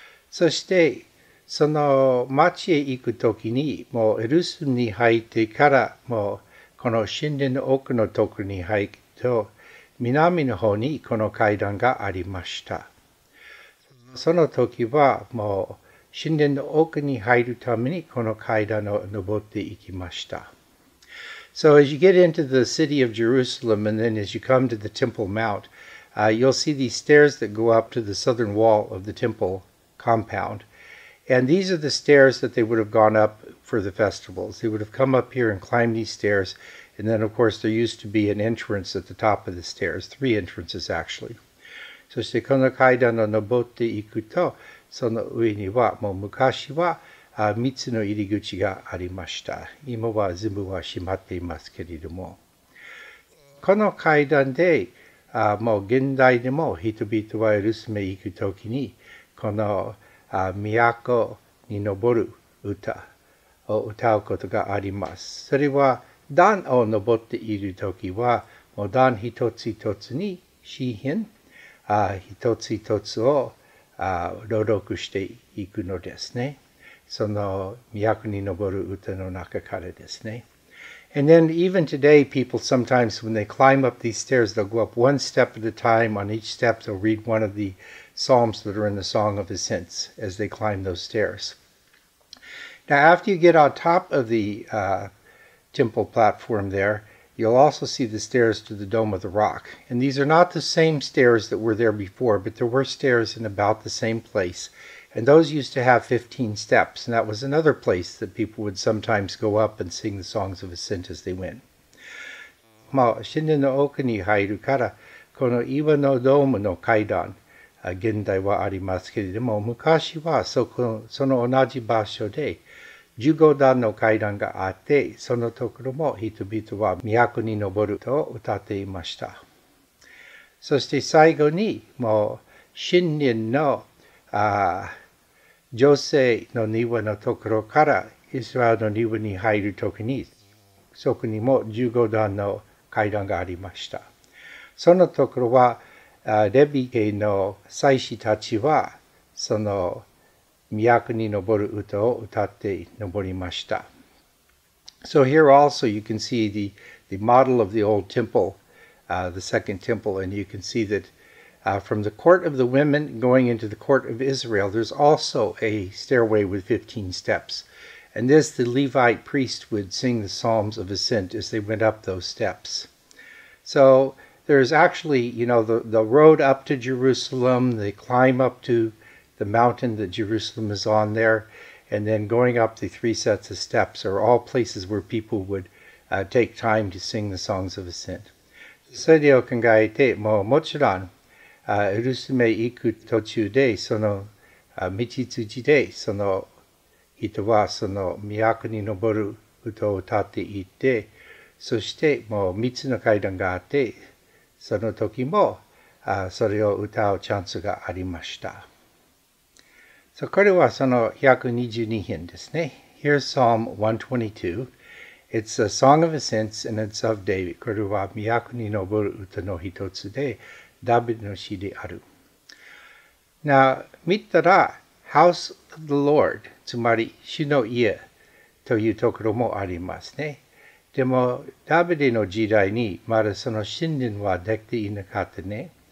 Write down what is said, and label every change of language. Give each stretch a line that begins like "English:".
Japanese: そして、その町へ行くときに、もうエルサレムに入ってから、もうこの神殿の奥のところに入ると、南の方にこの階段がありました。その時はもう神殿の奥に入るためにこの階段を登っていきました。
English: So as you get into the city of Jerusalem and then as you come to the Temple Mount, you'll see these stairs that go up to the southern wall of the temple compound. And these are the stairs that they would have gone up for the festivals. They would have come up here and climbed these stairs. And then, of course, there used to be an entrance at the top of the stairs, three entrances, actually.
Japanese: そしてこの階段を登っていくと、その上にはもう昔は3つの入り口がありました。今は全部は閉まっていますけれども。この階段で、もう現代でも人々はエルサレム行くときに、この都に登る歌を歌うことがあります。それは、段を登っているときは、もう段一つ一つに、詩篇、一つ一つを朗読していくのですね。その都に登る歌の中からですね。
English: And then even today, people sometimes, when they climb up these stairs, they'll go up one step at a time. On each step, they'll read one of the psalms that are in the Song of Ascents as they climb those stairs. Now, after you get on top of the temple platform there, you'll also see the stairs to the Dome of the Rock. And these are not the same stairs that were there before, but there were stairs in about the same place. And those used to have 15 steps, and that was another place that people would sometimes go up and sing the songs of ascent as they went.
Japanese: まあ、神殿の奥に入るから、この岩のドームの階段、現代はありますけれども、昔はその同じ場所で15段の階段があって、そのところも人々は都に登ると歌っていました。そして最後に、もう神殿の女性の庭のところからイスラエルの庭に入るときに、そこにも15段の階段がありました。そのところは、レビ系の祭司たちは、その都に登る歌を歌って登りました。
English: So here also you can see the model of the old temple, the second temple, and you can see thatfrom the court of the women going into the court of Israel, there's also a stairway with 15 steps. And this, the Levite priest would sing the Psalms of Ascent as they went up those steps. So there's actually, you know, the road up to Jerusalem, they climb up to the mountain that Jerusalem is on there, and then going up the three sets of steps are all places where people would take time to sing the Songs of Ascent.
Japanese: それを考えて、もうもちろん、エルサレム行く途中で、その道筋で、その人はその都に登る歌を歌っていて、そしてもう3つの階段があって、その時もそれを歌うチャンスがありました。 So, これはその122編ですね。
English: Here's Psalm 122. It's a song of ascents and it's of David.
Japanese: これは都に登る歌の一つで、ダビデの詩である。 Now, 見たら、
English: House of the Lord、
Japanese: つまり、主の家というところもありますね。でも、ダビデの時代に、まだその神殿はできていなかったね。